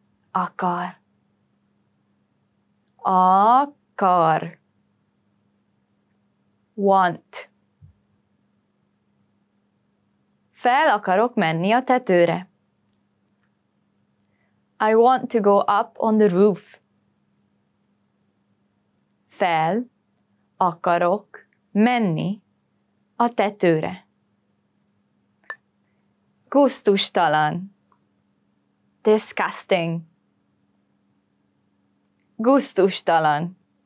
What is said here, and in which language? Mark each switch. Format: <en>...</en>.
<hu>Akar. Akar.</hu> <en>Want.</en> <hu>Fel akarok menni a tetőre.</hu> <en>I want to go up on the roof.</en> <hu>Fel akarok menni a tetőre. Gusztustalan. Disgusting. Gusztustalan.</hu>